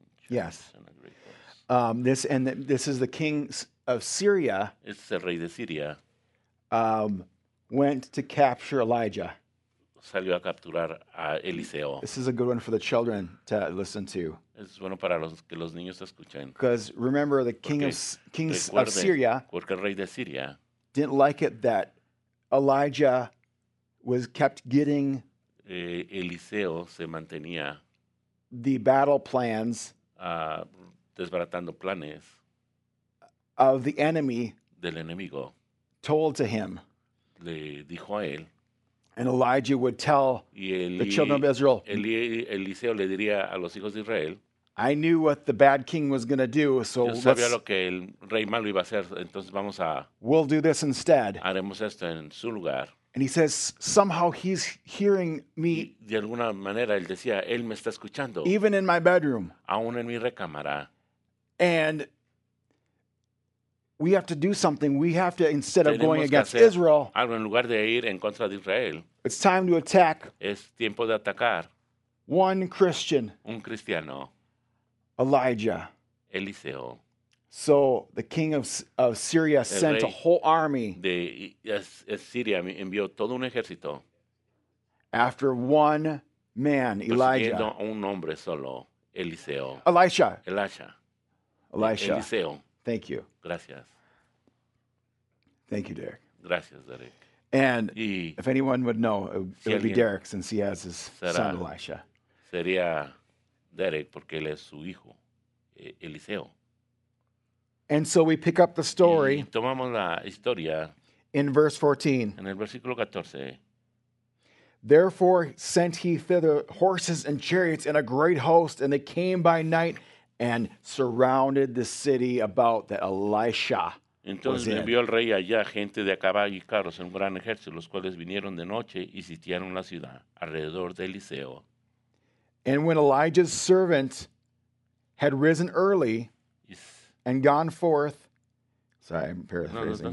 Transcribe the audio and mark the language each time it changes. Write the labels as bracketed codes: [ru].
[en] Yes. This is the king of Syria. [es] Es el rey de Siria. [en] Went to capture Elijah. [es] Salió a capturar a Eliseo. [en] This is a good one for the children to listen to. [es] Es bueno para los que los niños escuchen. [en] Because remember the king of Syria [es] porque el rey de Siria [en] didn't like it that Elijah was kept getting [es] Eliseo se mantenía [en] the battle plans [es] desbaratando planes [en] of the enemy [es] del enemigo [en] told to him. [es] Le dijo a él. [en] And Elijah would tell the children of Israel. [es] Eliseo le diría a los hijos de Israel. [en] I knew what the bad king was going to do, so [es] yo sabía lo que el rey malo iba a hacer, entonces vamos a [en] we'll do this instead. [es] Haremos esto en su lugar. [en] And he says, somehow he's hearing me. [es] Y de alguna manera él decía, él me está escuchando. [en] Even in my bedroom. [es] Aún en mi recámara. [en] And we have to do something. We have to, instead of going against Israel, [es] algo en lugar de ir en contra de Israel, [en] it's time to attack. [es] Es tiempo de atacar. [en] One Christian. [es] Un cristiano. [en] Elijah. [es] Eliseo. [en] So the king of Syria sent a whole army. [es] De Siria envió todo un ejército. [en] After one man, Elijah. [es] Persiguiendo a un hombre solo, Eliseo. [en] Elisha. Elisha. Elisha. [es] Eliseo. [en] Thank you. [es] Gracias. [en] Thank you, Derek. [es] Gracias, Derek. [en] And if anyone would know, it would be Derek, since he has his son, Elisha. [es] Sería Derek, porque él es su hijo, Eliseo. [en] And so we pick up the story. [es] Y tomamos la historia. [en] In verse 14. [es] En el versículo 14. [en] Therefore sent he thither horses and chariots and a great host, and they came by night and surrounded the city about that Elisha [es] Entonces [en] was [es] envió el rey allá gente de a caballo y carros en un gran ejército, los cuales vinieron de noche y sitiaron la ciudad alrededor de Eliseo. [en] And when Elijah's servant had risen early and gone forth, sorry, I'm paraphrasing